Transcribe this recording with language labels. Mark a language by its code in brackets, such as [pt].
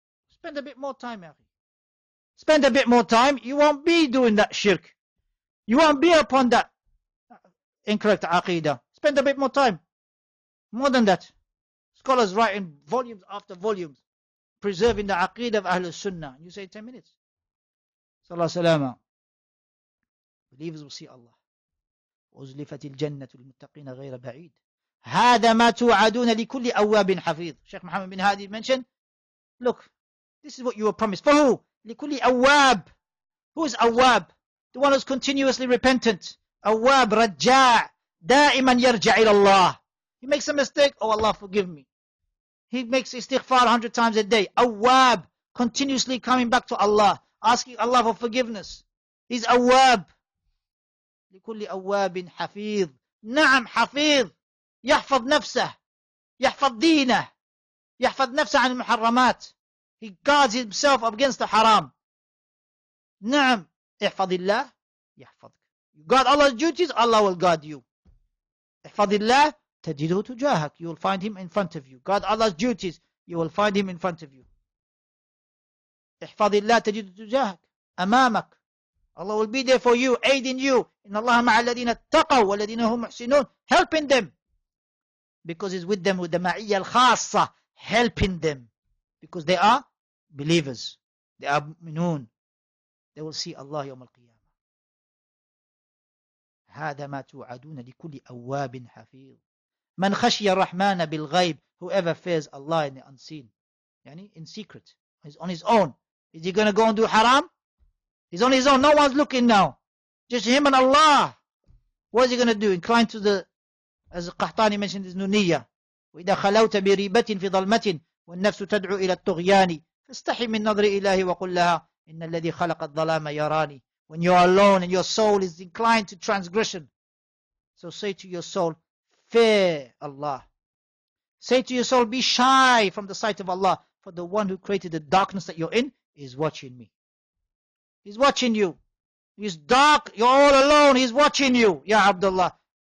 [en] Spend a bit more time, Ya Akhi. Spend a bit more time, you won't be doing that shirk. You won't be upon that incorrect Aqidah. Spend a bit more time. More than that, scholars write in volumes after volumes, preserving the aqeedah of Ahlul Sunnah. You say 10 minutes. [ar] صلى الله عليه وسلم. [en] Believers will see Allah. [ar] أزلفت الجنة للمتقين غير بعيد. هذا ما توعدون لكل أواب حفيظ. [en] Sheikh Muhammad bin Hadi mentioned, look, this is what you were promised. For who? [ar] لكل أواب. [en] Who is أواب? The one who is continuously repentant. [ar] أواب رجاع. دائما يرجع إلى الله. [en] He makes a mistake, oh Allah forgive me. He makes istighfar 100 times a day. Awwab, continuously coming back to Allah, asking Allah for forgiveness. He's awwab. [ar] لكل أواب حفيظ. نعم حفيظ. يحفظ نفسه. يحفظ دينه. يحفظ نفسه عن المحرمات. [en] He guards himself against the haram. [ar] نعم. احفظ الله. يحفظك. [en] You guard Allah's duties, Allah will guard you. [ar] احفظ الله. تجده تجاهك. [en] You will find him in front of you. Guard Allah's duties. You will find him in front of you. [ar] احفظ الله تجده تجاهك. أمامك. [en] Allah will be there for you. Aiding you. [ar] إن الله مع الذين اتقوا والذين هم محسنون. [en] Helping them. Because he's with them with the ma'iyya الخاصة. Helping them. Because they are believers. They are minun. They will see Allah [ar] يوم القيامة. هذا ما توعدون لكل أواب حفيظ. من خشي الرحمن بالغيب. [en] Whoever fears Allah in the unseen. يعني in secret. He's on his own. Is he going to go and do haram? He's on his own. No one's looking now. Just him and Allah. What is he going to do? Inclined to the, as Qahtani mentioned, his nuniyya. [ar] وإذا خلوت بريبة في ظلمة والنفس تدعو إلى الطغيان فاستحي من نظر إله وقل لها إن الذي خلق الظلام يراني. [en] When you're alone and your soul is inclined to transgression. So say to your soul, fear Allah. Say to your soul, be shy from the sight of Allah. For the one who created the darkness that you're in is watching me. He's watching you. It's dark. You're all alone. He's watching you. Ya Abdullah.